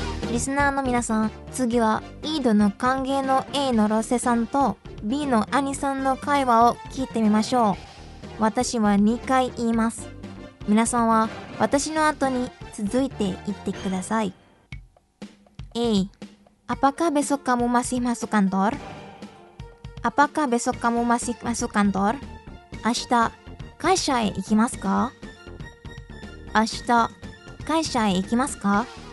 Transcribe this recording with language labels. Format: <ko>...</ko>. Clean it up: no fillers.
<ja>リスナーの皆さん、次はイードの歓迎の A のロセさんとB のアニさんの会話を聞いてみましょう。私は2回言います。皆さんは私の後に続いて言ってください。</ja> <id>A Apakah besok kamu masih masuk kantor? Apakah besok kamu masih masuk kantor?</id> <ja>明日会社へ行きますか？明日会社へ行きますか？</ja>